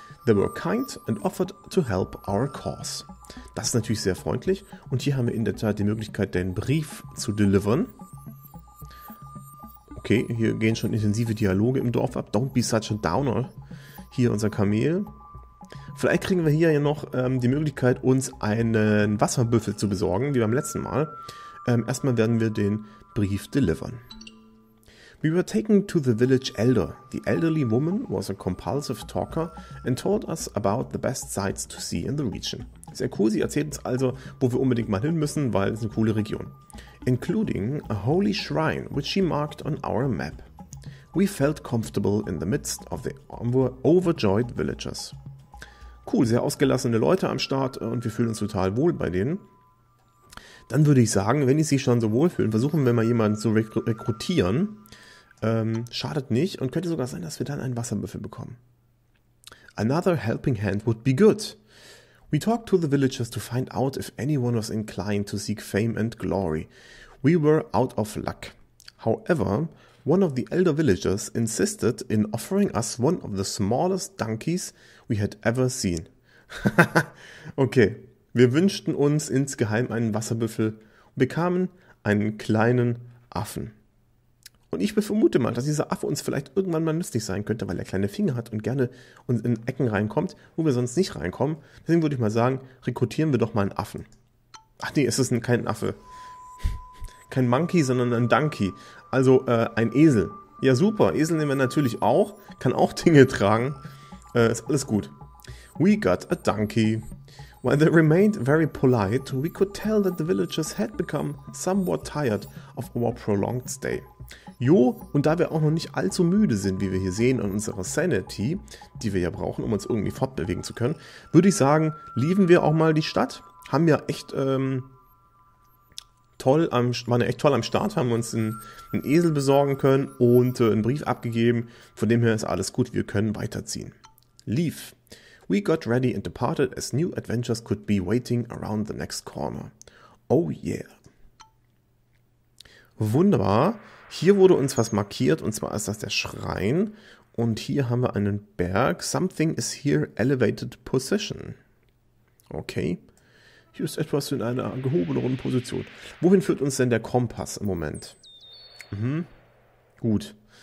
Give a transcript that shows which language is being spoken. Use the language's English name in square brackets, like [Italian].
[English] They were kind and offered to help our cause. [German] Das ist natürlich sehr freundlich. Und hier haben wir in der Tat die Möglichkeit, den Brief zu deliveren. Okay, hier gehen schon intensive Dialoge im Dorf ab. [English] Don't be such a downer. [German] Hier unser Kamel. Vielleicht kriegen wir hier ja noch die Möglichkeit, uns einen Wasserbüffel zu besorgen, wie beim letzten Mal. Erstmal werden wir den Brief delivern. [English] We were taken to the village elder. The elderly woman was a compulsive talker and told us about the best sights to see in the region. [German] Sehr cool, sie erzählt uns also, wo wir unbedingt mal hin müssen, weil es eine coole Region. [English] Including a holy shrine, which she marked on our map. We felt comfortable in the midst of the overjoyed villagers. [German] Cool, sehr ausgelassene Leute am Start und wir fühlen uns total wohl bei denen. Dann würde ich sagen, wenn die sich schon so wohl fühlen, versuchen wir mal jemanden zu rekrutieren. Schadet nicht und könnte sogar sein, dass wir dann einen Wasserbüffel bekommen. [English] Another helping hand would be good. We talked to the villagers to find out if anyone was inclined to seek fame and glory. We were out of luck. However, one of the elder villagers insisted in offering us one of the smallest donkeys we had ever seen. [German] Okay, wir wünschten uns insgeheim einen Wasserbüffel und bekamen einen kleinen Affen. Und ich vermute mal, dass dieser Affe uns vielleicht irgendwann mal nützlich sein könnte, weil er kleine Finger hat und gerne in Ecken reinkommt, wo wir sonst nicht reinkommen. Deswegen würde ich mal sagen, rekrutieren wir doch mal einen Affen. Ach nee, es ist kein Affe. Kein Monkey, sondern ein Donkey. Also ein Esel. Ja super, Esel nehmen wir natürlich auch. Kann auch Dinge tragen. Ist alles gut. [English] We got a donkey. While they remained very polite, we could tell that the villagers had become somewhat tired of our prolonged stay. [German] Jo, und da wir auch noch nicht allzu müde sind, wie wir hier sehen, an unserer Sanity, die wir ja brauchen, um uns irgendwie fortbewegen zu können, würde ich sagen, lieben wir auch mal die Stadt. Haben ja echt toll am Start, haben uns einen Esel besorgen können und einen Brief abgegeben. Von dem her ist alles gut, wir können weiterziehen. [English] Leave. We got ready and departed as new adventures could be waiting around the next corner. Oh yeah. [German] Wunderbar. Hier wurde uns was markiert, und zwar ist das der Schrein. Und hier haben wir einen Berg. [English] Something is here, elevated position. [German] Okay. Hier ist etwas in einer gehobeneren Position. Wohin führt uns denn der Kompass im Moment? Gut.